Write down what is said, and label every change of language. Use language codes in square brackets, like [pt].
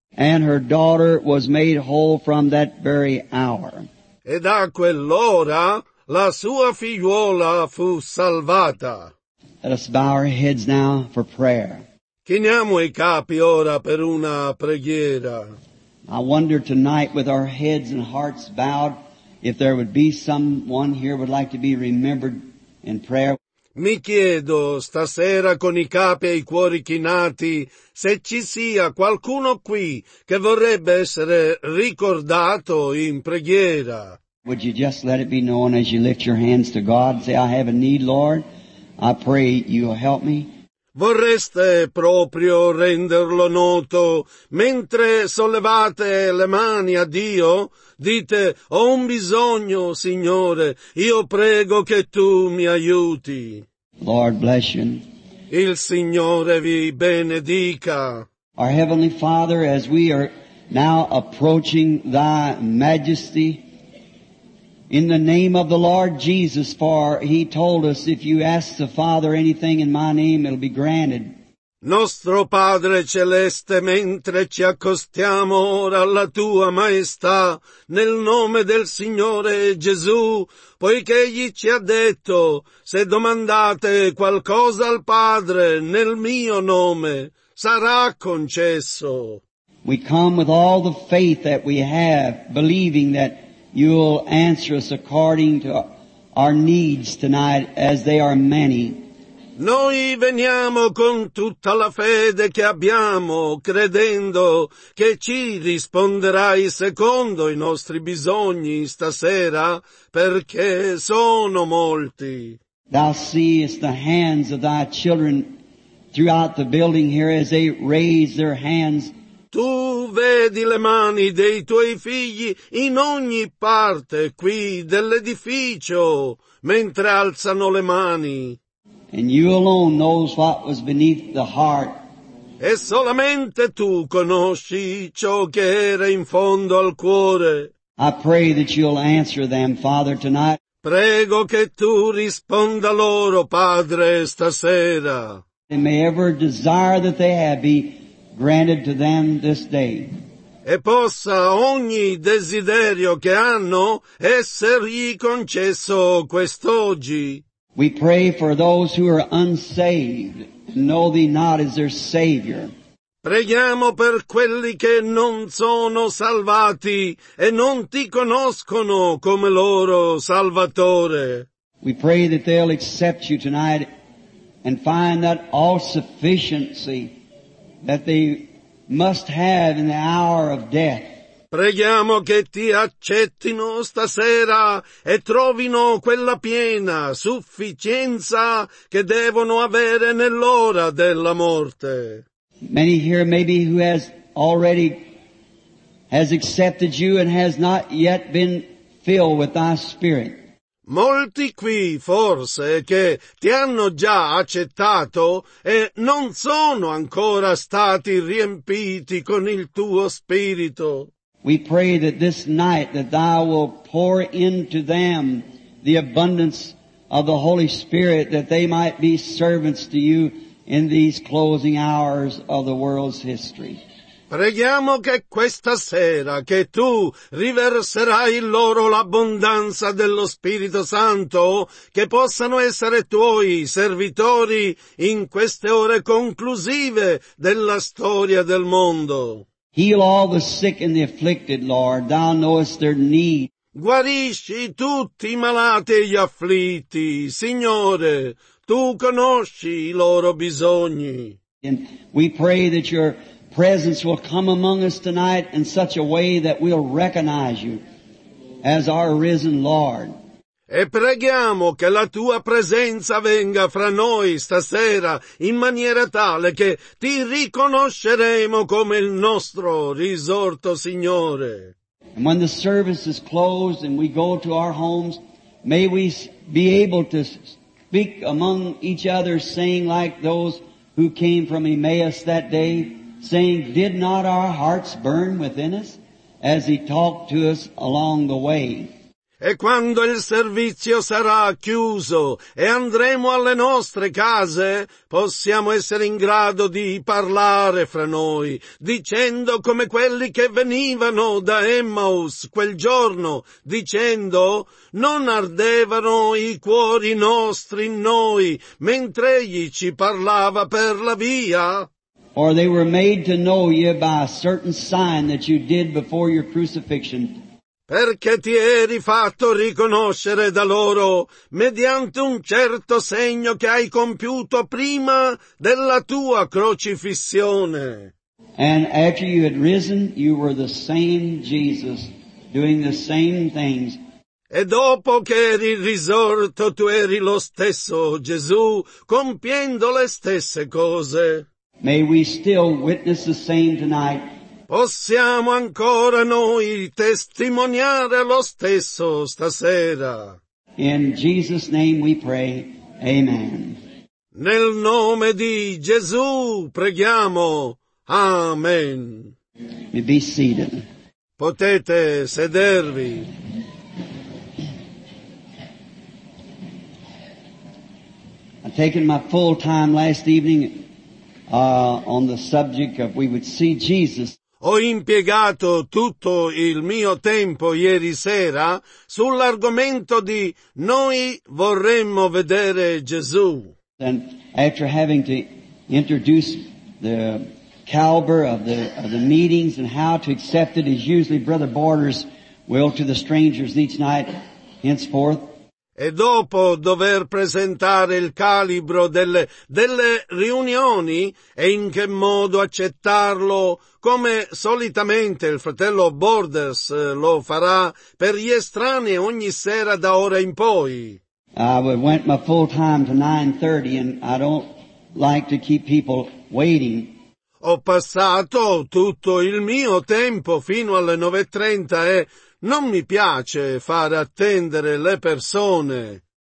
[en] And her daughter was made whole from that very hour. [it] E da quell'ora la sua figliuola fu salvata. [en] Let us bow our heads now for prayer. [it] Chiniamo i capi ora per una preghiera. [en] I wonder tonight with our heads and hearts bowed if there would be someone here would like to be remembered in prayer. [it] Mi chiedo stasera con i capi e i cuori chinati se ci sia qualcuno qui che vorrebbe essere ricordato in preghiera. [en] Would you just let it be known as you lift your hands to God and say, I have a need, Lord. I pray you'll help me. [it] Vorreste proprio renderlo noto mentre sollevate le mani a Dio? Dite, ho un bisogno, Signore, io prego che Tu mi aiuti. [en] Lord bless you. [it] Il Signore vi benedica. [en] Our Heavenly Father, as we are now approaching Thy Majesty, In the name of the Lord Jesus, for He told us, if you ask the Father anything in my name, it'll be granted. [it] Nostro Padre Celeste, mentre ci accostiamo ora alla Tua Maestà, nel nome del Signore Gesù, poiché Egli ci ha detto, se domandate qualcosa al Padre nel mio nome, sarà concesso. [en] We come with all the faith that we have, believing that You'll answer us according to our needs tonight, as they are many. [it] Noi veniamo con tutta la fede che abbiamo, credendo che ci risponderai secondo i nostri bisogni stasera, perché sono molti. [en] Thou seest the hands of thy children throughout the building here as they raise their hands. [it] Tu vedi le mani dei tuoi figli in ogni parte qui dell'edificio mentre alzano le mani. [en] And you alone knows what was beneath the heart. [it] E solamente tu conosci ciò che era in fondo al cuore. [en] I pray that you'll answer them, Father, tonight. [it] Prego che tu risponda loro, Padre, stasera. [en] They may ever desire that they have be granted to them this day. [it] E possa ogni desiderio che hanno essergli concesso quest'oggi. [en] We pray for those who are unsaved, know Thee not as their Savior. [it] Preghiamo per quelli che non sono salvati e non Ti conoscono come loro Salvatore. [en] We pray that they'll accept You tonight and find that all sufficiency that they must have in the hour of death. [it] Preghiamo che Ti accettino stasera e trovino quella piena sufficienza che devono avere nell'ora della morte. [en] Many here maybe who has already has accepted You and has not yet been filled with Thy Spirit. [it] Molti qui, forse, che Ti hanno già accettato e non sono ancora stati riempiti con il Tuo Spirito. [en] We pray that this night that Thou will pour into them the abundance of the Holy Spirit, that they might be servants to You in these closing hours of the world's history. [it] Preghiamo che questa sera che Tu riverserai in loro l'abbondanza dello Spirito Santo, che possano essere Tuoi servitori in queste ore conclusive della storia del mondo. [en] Heal all the sick and the afflicted, Lord. Thou knowest their need. [it] Guarisci tutti i malati e gli afflitti, Signore. Tu conosci i loro bisogni. [en] And we pray that Your presence will come among us tonight in such a way that we'll recognize You as our risen Lord. [it] E preghiamo che la Tua presenza venga fra noi stasera in maniera tale che Ti riconosceremo come il nostro risorto Signore. [en] And when the service is closed and we go to our homes, may we be able to speak among each other, saying like those who came from Emmaus that day, saying, did not our hearts burn within us as He talked to us along the way? [it] E quando il servizio sarà chiuso e andremo alle nostre case, possiamo essere in grado di parlare fra noi, dicendo come quelli che venivano da Emmaus quel giorno, dicendo, non ardevano i cuori nostri in noi mentre Egli ci parlava per la via? [en] Or they were made to know You by a certain sign that You did before Your crucifixion. [it] Perché Ti eri fatto riconoscere da loro mediante un certo segno che hai compiuto prima della Tua crocifissione. [en] And after You had risen, You were the same Jesus doing the same things. [it] E dopo che eri risorto, Tu eri lo stesso Gesù compiendo le stesse cose. [en] May we still witness the same tonight. [it] Possiamo ancora noi testimoniare lo stesso stasera. [en] In Jesus' name we pray. Amen. [it] Nel nome di Gesù preghiamo. Amen. [en] Be seated. [it] Potete sedervi. [en] I've taken my full time last evening on the subject of we would see Jesus. [it] Ho impiegato tutto il mio tempo ieri sera sull'argomento di noi vorremmo vedere Gesù. [en] And after having to introduce the caliber of the meetings and how to accept it is usually Brother Borders will to the strangers each night henceforth. [it] E dopo dover presentare il calibro delle riunioni e in che modo accettarlo, come solitamente il fratello Borders lo farà per gli estranei ogni sera da ora in poi. [en] I went my full time to 9:30 and I don't like to keep people waiting. [it] Ho passato tutto il mio tempo fino alle 9:30 e non mi piace far attendere le persone.